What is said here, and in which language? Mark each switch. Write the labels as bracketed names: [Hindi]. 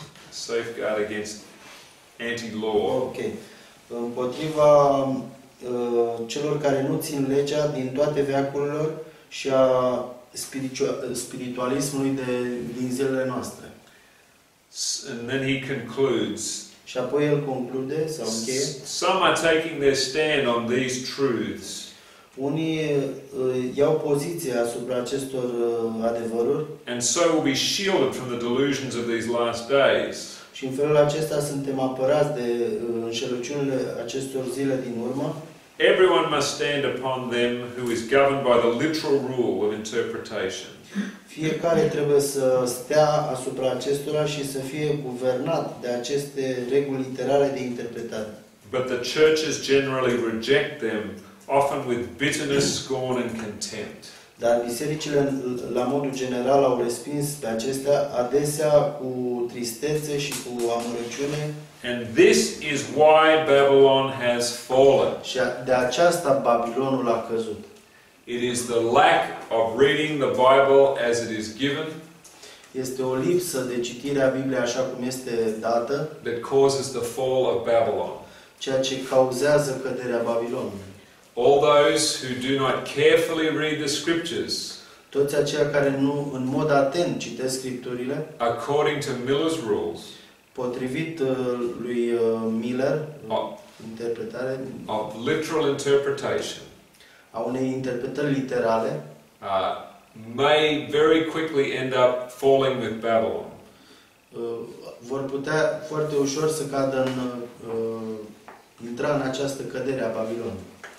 [English] safeguard against anti-law. Okay. [Romanian] împotriva celor care nu țin legea din toate veacurile și a spiritualismului de din zilele noastre. [English] And then he concludes. [Romanian] Și apoi el conclude sau încheie. [English] Some are taking their stand on these truths. [Romanian] Unii iau poziția asupra acestor adevăruri. [English] And so will be shielded from the delusions of these last days. [Romanian] Și în felul acesta suntem apărați de înșelăciunile acestor zile din urmă. [English] Everyone must stand upon them who is governed by the literal rule of interpretation. [Romanian] Fiecare trebuie să stea asupra acestora și să fie guvernat de aceste reguli literare de interpretare. [English] But the churches generally reject them, often with bitterness, scorn and contempt. [Romanian] Dar bisericile la modul general au respins pe acestea adesea cu tristețe și cu amărăciune. [English] And this is why Babylon has fallen. [Romanian] Și de aceasta Babilonul a căzut. [English] It is the lack of reading the Bible as it is given. [Romanian] Este o lipsă de citire a Bibliei așa cum este dată. [English] That causes the fall of Babylon. [Romanian] Ceea ce cauzează căderea Babilonului. [English] All those who do not carefully read the scriptures. [Romanian] Toți aceia care nu în mod atent citesc scripturile. [English] According to Miller's rules. [Romanian] Potrivit lui Miller, interpretare [English] of literal interpretation. [Romanian] A unei interpretări literale. [English] May very quickly end up falling with Babylon. [Romanian] Vor putea foarte ușor să cadă în intra în această cădere a Babilonului.